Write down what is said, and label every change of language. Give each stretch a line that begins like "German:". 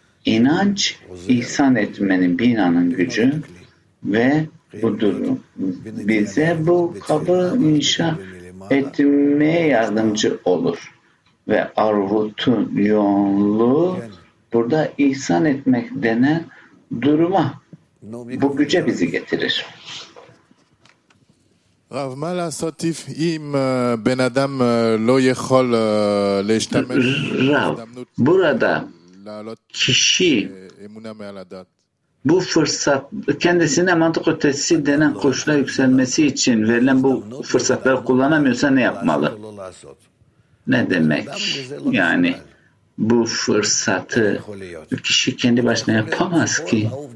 Turkish: İnanç, ihsan etmenin, binanın gücü ve bu durum bize bu kabı inşa etmeye yardımcı olur. Ve arvutun yoğunluğu burada ihsan etmek denen duruma, bu güce bizi getirir.
Hebrew: Rav, מה לעשות אם בן אדם לא יכול להשתמש?
Turkish: Rav, burada kişi bu fırsat, kendisine mantık ötesi denen koşula yükselmesi için verilen bu fırsatları kullanamıyorsa ne yapmalı? Ne demek? Yani bu fırsatı kişi kendi başına yapamaz ki.